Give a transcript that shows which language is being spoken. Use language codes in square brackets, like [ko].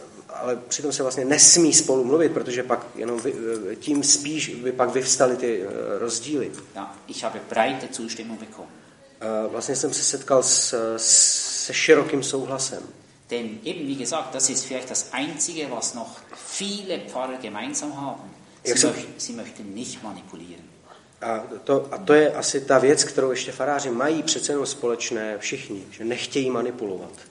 [cs] Ale přitom se vlastně nesmí spolu mluvit, protože pak jenom tím spíš by pak vyvstaly ty rozdíly. [de] Ja, ich habe breite Zustimmung bekommen. [cs] Vlastně jsem se setkal se širokým souhlasem. [de] Denn eben, wie gesagt, das ist vielleicht das Einzige, was noch viele Pfarrer gemeinsam haben. Sie möchten nicht manipulieren. [cs] A to je asi ta věc, kterou ještě faráři mají přece jenom společné všichni, že nechtějí manipulovat.